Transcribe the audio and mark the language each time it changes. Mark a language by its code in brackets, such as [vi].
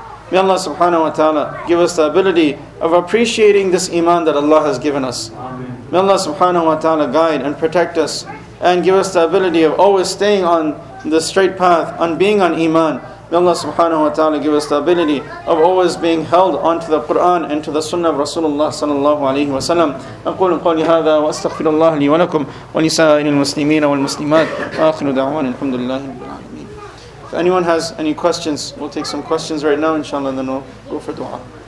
[en] May Allah subhanahu wa ta'ala give us the ability of appreciating this iman that Allah has given us. May Allah subhanahu wa ta'ala guide and protect us and give us the ability of always staying on the straight path, on being on iman. May Allah subhanahu wa ta'ala give us the ability of always being held onto the Quran and to the Sunnah of Rasulullah sallallahu alayhi wa sallam. [ar] أقول قولي هذا وأستغفر الله لي ولكم ولسائر المسلمين والمسلمات وآخر دعوان الحمد لله رب العالمين. [en] If anyone has any questions, we'll take some questions right now, inshallah, and then we'll go for dua.